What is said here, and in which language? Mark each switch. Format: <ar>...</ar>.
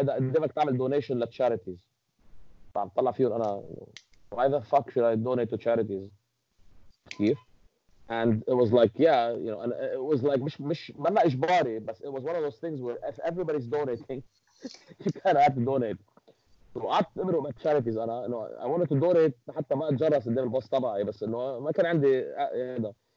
<ar>هذا قدامك تعمل donation لتشاريتيز. طبعا طلع فيهم أنا.</ar> <en>Why the fuck should I donate to charities?</en> <ar>كيف?</ar> <en>And it was like, yeah, you know, and it was like,</en> <ar>مش إجباري,</ar> <en>but it was one of those things where if everybody's donating, you kind of have to donate.</en> <ar>So قعدت أمره مع charities أنا,</ar> <en>you know, I wanted to donate</en> <ar>حتى ما أتجرس قدام البوس تبعي, بس إنه ما كان عندي هذا.</ar>